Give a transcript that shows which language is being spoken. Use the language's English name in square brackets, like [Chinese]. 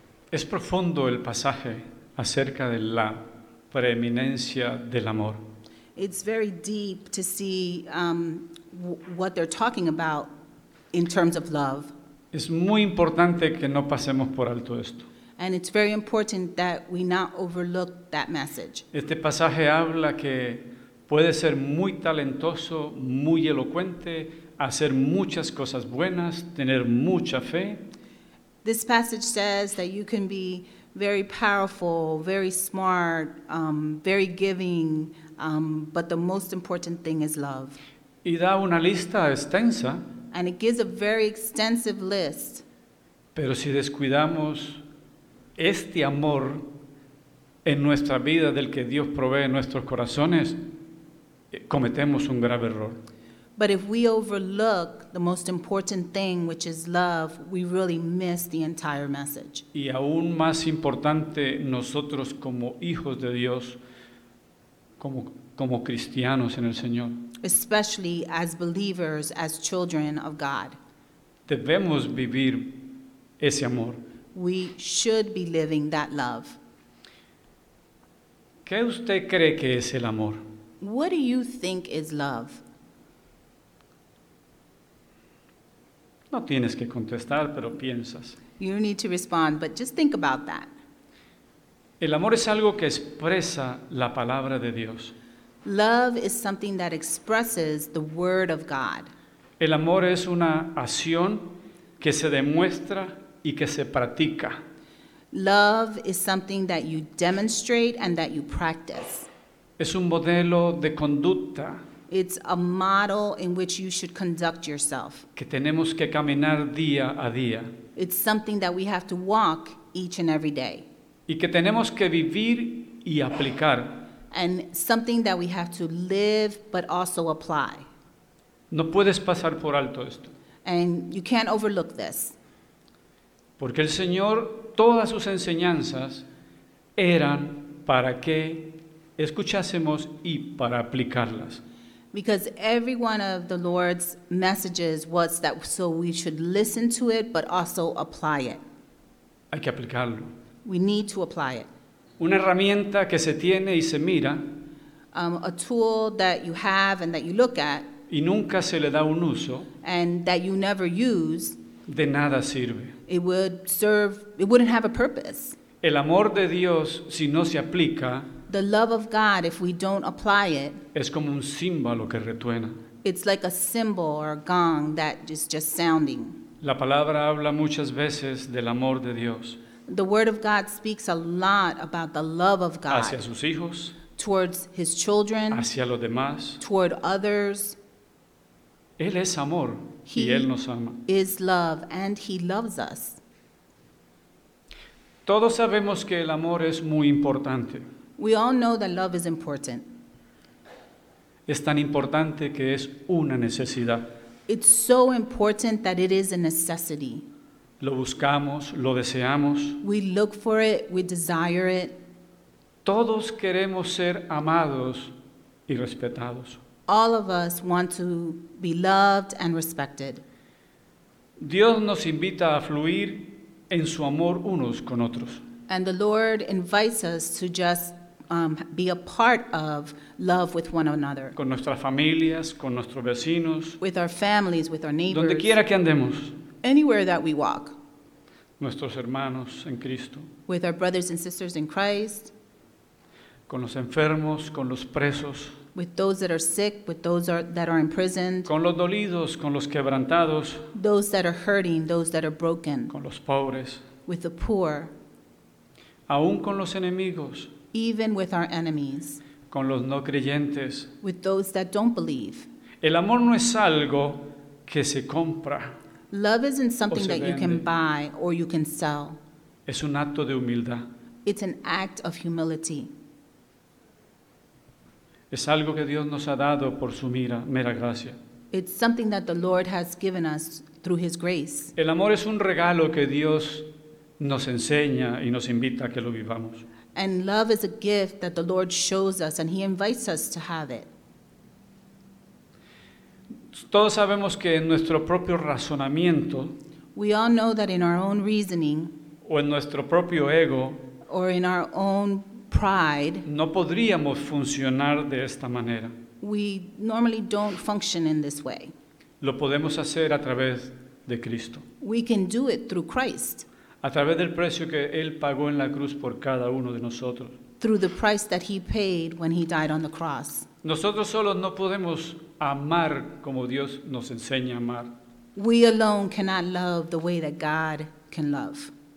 [Spanish] Es profundo el pasaje acerca de la preeminencia del amor. [English] It's very deep to see what they're talking about in terms of love. [Spanish] Es muy importante que no pasemos por alto esto. [English] And it's very important that we not overlook that message. [Spanish] Este pasaje habla que puede ser muy talentoso, muy elocuente, hacer muchas cosas buenas, tener mucha fe. [English] This passage says that you can be very powerful, very smart, very giving, but the most important thing is love. [Spanish] Y da una lista extensa. [English] And it gives a very extensive list. [Spanish] Pero si descuidamos este amor en nuestra vida del que Dios provee en nuestros corazones, cometemos un grave error. [English] But if we overlook the most important thing, which is love, we really miss the entire message. [Spanish] Y aún más importante, nosotros como hijos de Dios, como cristianos en el Señor. [English] Especially as believers, as children of God. [Spanish] Debemos vivir ese amor. [English] We should be living that love. [Spanish] ¿Qué usted cree que es el amor? [English] What do you think is love? [Spanish] No tienes que contestar, pero piensas. [English] You don't need to respond, but just think about that. [Spanish] El amor es algo que expresa la palabra de Dios. [English] Love is something that expresses the word of God. [Spanish] El amor es una acción que se demuestra y que se practica. [English] Love is something that you demonstrate and that you practice. [Spanish] Es un modelo de conducta [English] It's a model in which you should conduct yourself. [Spanish] Que tenemos que caminar día a día. [English] It's something that we have to walk each and every day. [Spanish] Y que tenemos que vivir y aplicar. [English] And something that we have to live but also apply. [Spanish] No puedes pasar por alto esto. [English] And you can't overlook this. [Spanish] Porque el Señor, todas sus enseñanzas eran para que escuchásemos y para aplicarlas. [English] Because every one of the Lord's messages was that so we should listen to it but also apply it. [Spanish] Hay que aplicarlo. [English] We need to apply it. [Spanish] Una herramienta que se tiene y se mira. [English] A tool that you have and that you look at. [Spanish] Y nunca se le da un uso. [English] And that you never use. [Spanish] De nada sirve. [English] It would serve, it wouldn't have a purpose. [Spanish] El amor de Dios, si no se aplica. [English] The love of God, if we don't apply it. [Spanish] Es como un címbalo que retuena. [English] It's like a cymbal or a gong that is just sounding. [Spanish] La palabra habla muchas veces del amor de Dios. [English] The word of God speaks a lot about the love of God. [Spanish] Hacia sus hijos. [English] Towards his children. [Spanish] Hacia los demás. [English] Toward others. [Spanish] Él es amor. [English] He [Spanish] y él nos ama. [English] Is love and he loves us. [Spanish] Todos sabemos que el amor es muy importante. [English] We all know that love is important. [Spanish] Es tan importante que es una necesidad. [English] It's so important that it is a necessity. [Spanish] Lo buscamos, lo deseamos. [English] We look for it, we desire it. [Spanish] Todos queremos ser amados y respetados. [English] All of us want to be loved and respected. [Spanish] Dios nos invita a fluir en su amor unos con otros. [English] And the Lord invites us to just be a part of love with one another. [Spanish] Con nuestras familias, con nuestros vecinos. [English] With our families, with our neighbors. [Spanish] Donde quiera que andemos. [English] Anywhere that we walk. [Spanish] Nuestros hermanos en Cristo. [English] With our brothers and sisters in Christ. [Spanish] Con los enfermos, con los presos. [English] With those that are sick, with those that are imprisoned. [Spanish] Con los dolidos, con los quebrantados. [English] Those that are hurting, those that are broken. [Spanish] Con los pobres. [English] With the poor. [Spanish] Aún con los enemigos. [English] Even with our enemies. [Spanish] Con los no creyentes. [English] With those that don't believe. [Spanish] El amor no es algo que se compra. [English] Love isn't something that you can buy or you can sell. [Spanish] Es un acto de humildad. [English] It's an act of humility. [Spanish] Es algo que Dios nos ha dado por su mera gracia. [English] It's something that the Lord has given us through his grace. [Spanish] El amor es un regalo que Dios nos enseña y nos invita a que lo vivamos. [English] And love is a gift that the Lord shows us and he invites us to have it. [Spanish] Todos sabemos que en nuestro propio razonamiento, [English] we all know that in our own reasoning, [Spanish] o en nuestro propio ego, [English] or in our own pride, [Spanish] no podríamos funcionar de esta manera. [English] We normally don't function in this way. [Spanish] Lo podemos hacer a través de Cristo. [English] We can do it through Christ. [Spanish] A través del precio que Él pagó en la cruz por cada uno de nosotros. [English] Through the price that he paid when he died on the cross. [Spanish] Nosotros solos no podemos amar como Dios nos enseña a amar. [English] We alone cannot love the way that God can love.